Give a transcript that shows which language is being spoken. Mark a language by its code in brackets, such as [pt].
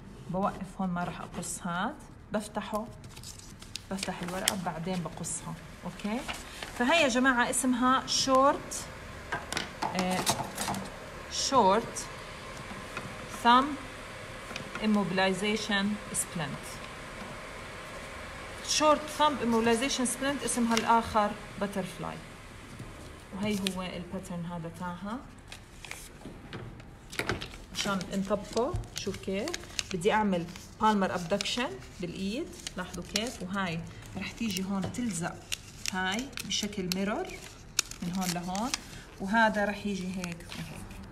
[ar] بوقف هون، ما رح أقص هذا، بفتحه، بفتح الورقة بعدين بقصها. أوكي، فهي يا جماعة اسمها شورت شورت ثم immobilization splint. [en] short thumb immobilization splint [ar] اسمها الآخر [en] butterfly. [ar] وهي هو الباترن هذا تاعها، عشان نطبقه شوف كيف. بدي أعمل palmar abduction بالإيد، لاحظوا كيف. وهاي رح تيجي هون تلزق هاي بشكل ميرور من هون لهون، وهذا رح يجي هيك وهيك.